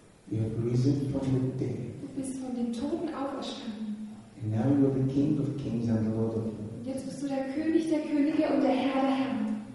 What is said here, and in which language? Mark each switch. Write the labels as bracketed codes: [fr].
[en] You have risen from the dead. [de] Du bist von den Toten auferstanden. [en] And now you are the King of Kings and the Lord of Lords. [de] Jetzt bist du der König der Könige und der Herr der Herren.